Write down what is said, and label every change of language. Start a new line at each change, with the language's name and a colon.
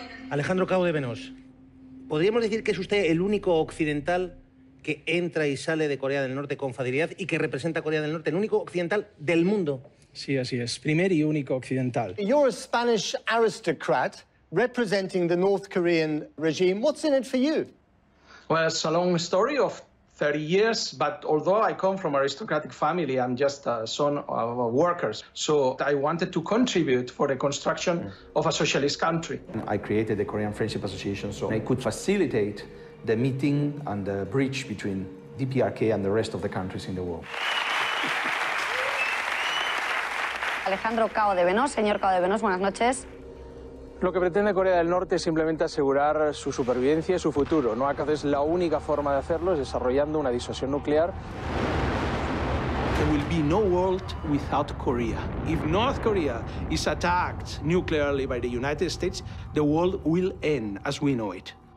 Spanish: Alejandro Cao de Benos, ¿podríamos decir que es usted el único occidental que entra y sale de Corea del Norte con facilidad y que representa a Corea del Norte, el único occidental del mundo? Sí, así es. Primer y único occidental.
English: You're a Spanish aristocrat representing the North Korean regime. What's in it for you? Well, it's a long story of 30 years, but although I come from aristocratic family, I'm just a son of workers. So I wanted to contribute for the construction of a socialist country. I created the Korean Friendship Association so I could facilitate the meeting and the bridge between DPRK and the rest of the countries in the world.
Spanish: Alejandro Cao de Benos. Señor Cao de Benos, buenas noches. Lo que pretende Corea del Norte es simplemente asegurar su supervivencia y su futuro. No acaso es la única forma de hacerlo es desarrollando una disuasión nuclear.
English: There will be no world without Korea. If North Korea is attacked nuclearly by the United States, the world will end as we know it.